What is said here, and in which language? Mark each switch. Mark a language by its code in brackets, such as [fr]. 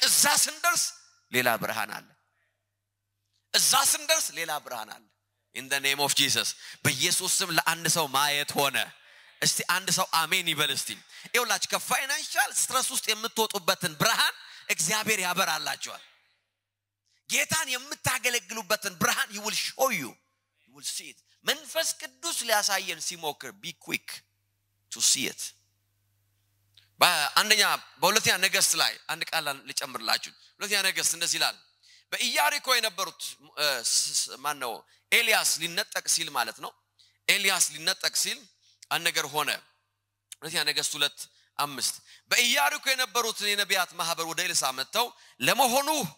[am] እዛ ስንደርስ ሌላ ብርሃን አለ። እዛ ስንደርስ ሌላ ብርሃን አለ። [en] In the name of Jesus [am] በኢየሱስም ለአንድ ሰው ማየት ሆነ። እስቲ አንድ ሰው አሜን ይበልስቲ። ይኸውላችሁ ከፋይናንሻል ስትረስ ውስጥ የምትወጡበትን ብርሃን እግዚአብሔር ያበራላችኋል። ጌታን የምታገለግሉበትን ብርሃን [en] he will show you, he will see it. [am] መንፈስ ቅዱስ ሊያሳየን ሲሞክር [en] be quick to see it. [am] በአንደኛ በሁለተኛ ነገስት ላይ አንድ ቃል ልጨምርላችሁ። ሁለተኛ ነገስት እንደዚህ ይላል። በኢያሪኮ የነበሩት ማን ነው ኤልያስ ሊነጠቅ ሲል ማለት ነው። ኤልያስ ሊነጠቅ ሲል አነገር ሆነ። ሁለተኛ ነገስት 2:5 በኢያሪኮ የነበሩት የነቢያት ማህበር ወደ ኤልሳ መጥተው ለመሆኑ